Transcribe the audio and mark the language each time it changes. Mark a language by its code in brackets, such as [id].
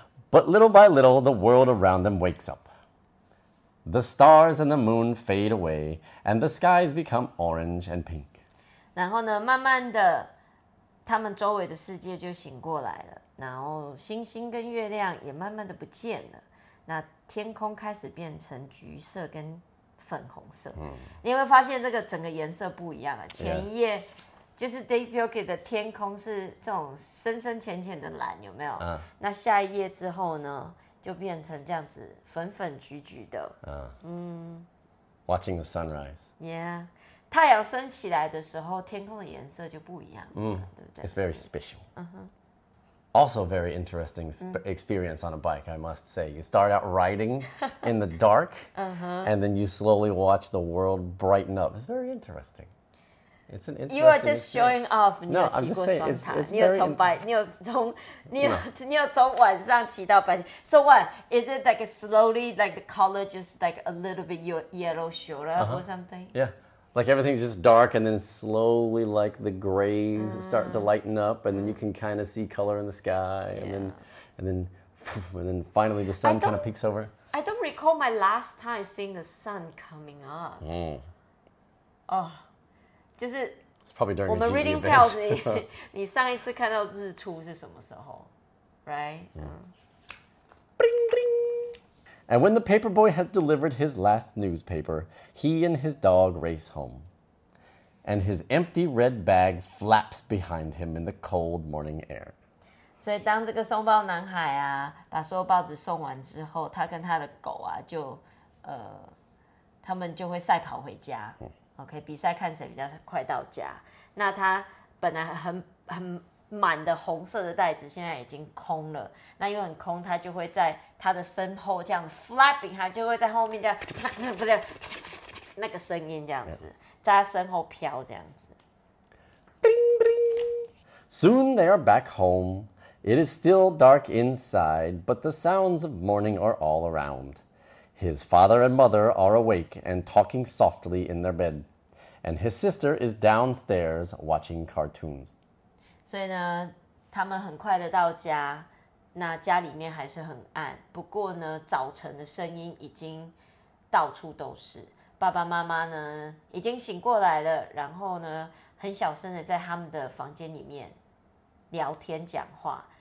[en] But little by little, the world around them wakes up. The stars and the moon fade away, and the skies become orange and pink. [zh] 然后呢，慢慢的，他们周围的世界就醒过来了。然后星星跟月亮也慢慢的不见了。那天空开始变成橘色跟粉红色。嗯、你会发现这个整个颜色不一样啊。前一页、就是 Dave Bilkey 的天空是这种深深浅浅的蓝，有没有？那下一页之后呢，就变成这样子粉粉橘橘的。 [en] Watching the sunrise. Yeah. [zh] 太阳升起来的时候，天空的颜色就不一样了，对不对？ [en] It's very special. Also very interesting experience on a bike, I must say. You start out riding in the dark, and then you slowly watch the world brighten up. It's very interesting. It's an interesting You are just showing off. No, I'm just saying, So what? Is it like slowly, like the color just like a little bit yellow shoulder or something? Yeah. Like everything's just dark and then slowly like the grays start to lighten up and then you can kind of see color in the sky and then finally the sun kind of peeks over. I don't recall my last time seeing the sun coming up. It's probably during the reading pals. [zh] 你上一次看到日出是什么时候 [en] Bling, And when the paper boy had delivered his last newspaper, he and his dog race home. And his empty red bag flaps behind him in the cold morning air. [zh] 所以当这个送报男孩啊，把所有报纸送完之后，他跟他的狗啊，就他们就会赛跑回家。 OK， 比赛看谁比较快到家。那他本来很满的红色的袋子，现在已经空了。那因为很空，他就会在他的身后这样子 flapping， 他就会在后面这样，那个声音这样子，在他身后飘这样子。 [en] 叮叮。Soon they are back home. It is still dark inside, but the sounds of morning are all around. His father and mother are awake and talking softly in their bed. And his sister is downstairs watching cartoons. [zh] 所以呢，他们很快的到家，那家里面还是很暗。不过呢，早晨的声音已经到处都是。爸爸妈妈呢，已经醒过来了，然后呢，很小声的在他们的房间里面聊天讲话。